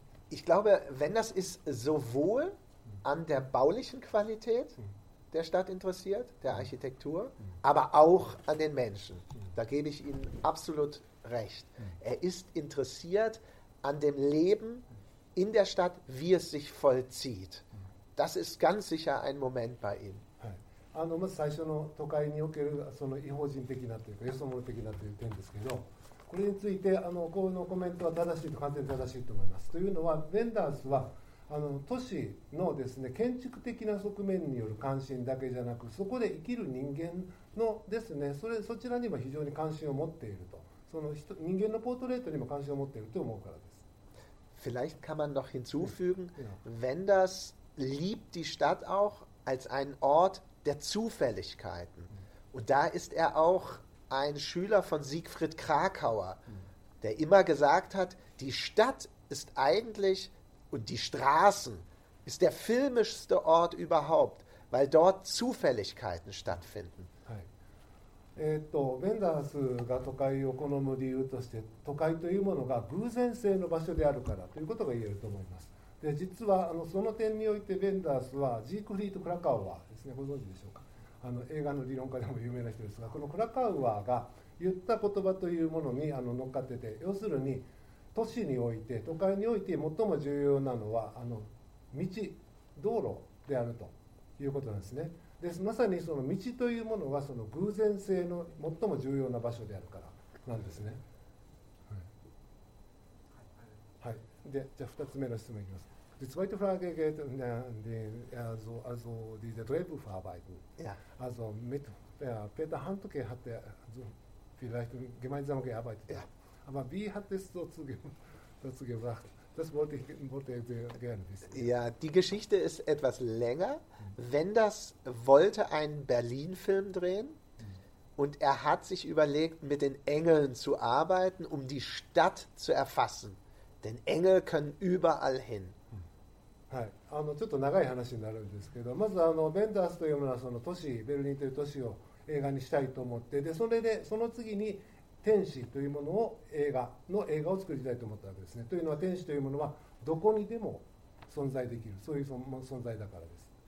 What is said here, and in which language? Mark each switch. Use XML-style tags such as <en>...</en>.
<de>Ich glaube, wenn das ist, sowohl an der baulichen Qualität der Stadt interessiert, der Architektur, aber auch an den Menschen. Da gebe ich Ihnen absolut recht. Er ist interessiert an dem Leben in der Stadt, wie es sich vollzieht. Das ist ganz sicher ein Moment bei ihm.</de> <ja>まず最初の都会におけるその異邦人的なというか、よそ者的なという点ですけど、これについてこのコメントは正しいと、完全に正しいと思います。というのはベンダースは都市のですね、建築的な側面による関心だけじゃなく、そこで生きる人間のですね、それそちらにも非常に関心を持っていると、その人、人間のポートレートにも関心を持っていると思うからです。</ja> <de>Vielleicht kann man noch hinzufügen, wenn das liebt die Stadt auch als einen Ort der Zufälligkeiten. Und da ist auch ein Schüler von Siegfried Krakauer, der immer gesagt hat, die Stadt ist eigentlich und die Straßen ist der filmischste Ort überhaupt, weil dort Zufälligkeiten stattfinden.</de> <ja>Wenders が都会を好む理由として、都会というものが偶然性の場所であるからということが言えると思います。で、実はその点においてベンダースはジークフリート・クラカウアーですね、ご存知でしょうか。映画の理論家でも有名な人ですが、このクラカウアーが言った言葉というものに乗っかってて、要するに都市において、都会において最も重要なのは道、道路であるということなんですね。で、まさにその道というものはその偶然性の最も重要な場所であるからなんですね。で、じゃあ2つ目の質問いきます。</ja> <de>Die zweite Frage geht also diese Drehbucharbeiten. Ja. Also mit Peter Handke hat er also vielleicht gemeinsam gearbeitet. Ja. Aber wie hat es dazu gebracht? Das wollte ich sehr gerne wissen. Ja, die Geschichte ist etwas länger. Wenders wollte einen Berlin-Film drehen und er hat sich überlegt, mit den Engeln zu arbeiten, um die Stadt zu erfassen. Denn Engel können überall hin.</de> <ja>はい、ちょっと長い話になるんですけど、まずベンダースというものはその都市、ベルリンという都市を映画にしたいと思って、でそれでその次に天使というものを映画を作りたいと思ったわけですね。というのは天使というものはどこにでも存在できる、そういう存在だからです。</ja>